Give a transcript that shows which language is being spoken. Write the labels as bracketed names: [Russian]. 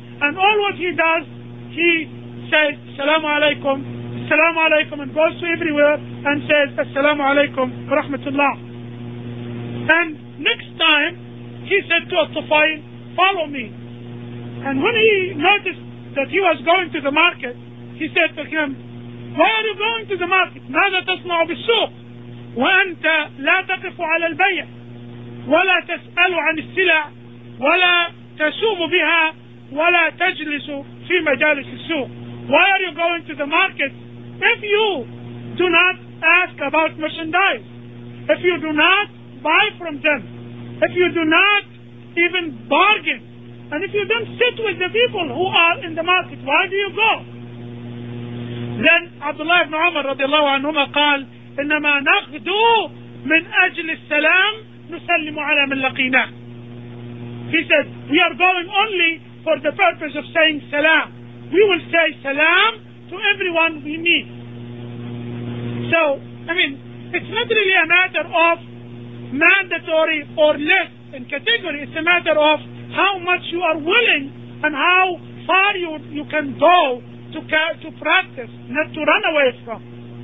[English] And all what he does, he says, Assalamu alaikum, and goes to everywhere and says, Assalamu alaikum, rahmatullah. And next time, he said to Al-Qusayl, follow me. And when he noticed that he was going to the market, he said to him, why are you going to the market? [Arabic] ماذا تصنع بالسوق وأنت لا تقف على البيع ولا تسأل عن السلع ولا تسوم بها ولا تجلس في مجالس السوق. [English] Why are you going to the market if you do not ask about merchandise, if you do not buy from them, if you do not even bargain, and if you don't sit with the people who are in the market, why do you go? Then Abdullah ibn Umar radiallahu anhuma [Arabic] قال إنما نغدو من أجل السلام نسلم على من لقينا. [English] He said, we are going only for the purpose of saying salam. We will say salam to everyone we meet. So, I mean, it's not really a matter of mandatory or less in category. It's a matter of how much you are willing and how far you can go to practice, not to run away from.